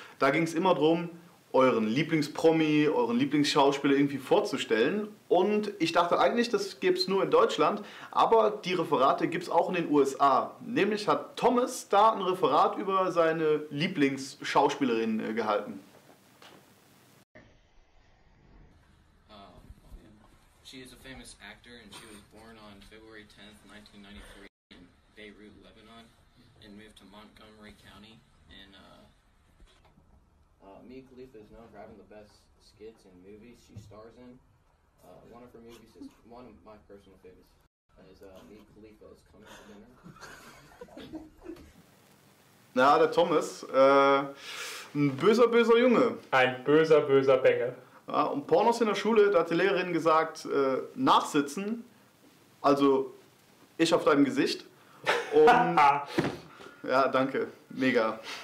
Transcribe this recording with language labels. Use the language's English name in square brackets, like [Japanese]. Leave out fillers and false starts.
[German] Da ging es immer darum, euren Lieblingspromi, euren Lieblingsschauspieler irgendwie vorzustellen. Und ich dachte eigentlich, das gibt es nur in Deutschland, aber die Referate gibt es auch in den USA. Nämlich hat Thomas da ein Referat über seine Lieblingsschauspielerin gehalten. [English] She is a famous actor and she was born on February 10th, 1993 in Beirut, Lebanon and moved to Montgomery County in Mia Khalifa is known for having the best skits and movies she stars in. One of her movies is one of my personal favorites. Is Mia Khalifa is coming to dinner. [German] Na, der Thomas, ein böser, böser Junge. Ein böser, böser Bengel. Ja, und Pornos in der Schule, da hat die Lehrerin gesagt, nachsitzen, also ich auf deinem Gesicht. Und, ja, danke, mega.